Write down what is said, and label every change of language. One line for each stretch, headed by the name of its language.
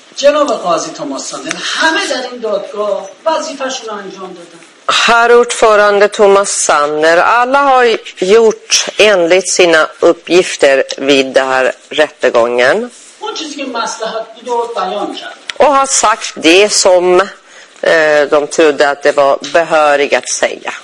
Persian: جناب قاضی توماسانن همه در این دادگاه وظیفه‌شون رو انجام دادن.
Swedish: هر ordförande Thomas Sanner, alla har gjort enligt sina uppgifter vid det här rättegången.
Persian: اون چیزی که مصلحت بود رو بیان کرد.
Swedish: Och har sagt det som de trodde att det var behörigt att säga.